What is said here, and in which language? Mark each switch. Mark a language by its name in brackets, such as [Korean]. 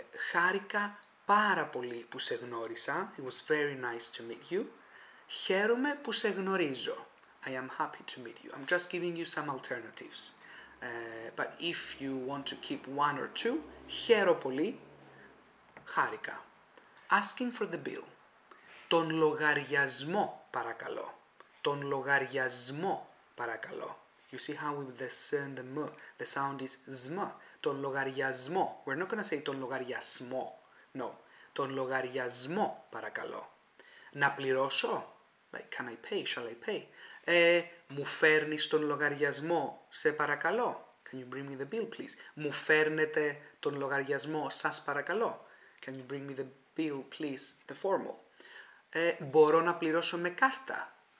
[Greek] Χάρηκα πάρα πολύ που σε γνώρισα. [English] It was very nice to meet you. [Greek] Χαίρομαι που σε γνωρίζω. [English] I am happy to meet you. I'm just giving you some alternatives. But if you want to keep one or two, [Greek] χαίρω πολύ, χάρηκα. [English] Asking for the bill. [Greek] Τον λογαριασμό, παρακαλώ. Τον λογαριασμό, παρακαλώ. [English] You see how with the s and the m, the sound is zm. [Greek] Τον λογαριασμό. [English] We're not going to say [Greek] τον λογαριασμό. [English] No. [Greek] Τον λογαριασμό, παρακαλώ. Να πληρώσω. [English] Like, can I pay? Shall I pay? [Greek] Μου φέρνεις τον λογαριασμό, σε παρακαλώ. [English] Can you bring me the bill, please? [Greek] Μου φέρνετε τον λογαριασμό, σας παρακαλώ. [English] Can you bring me the bill, please, the formal. [Greek] Μπορώ να πληρώσω με κάρτα.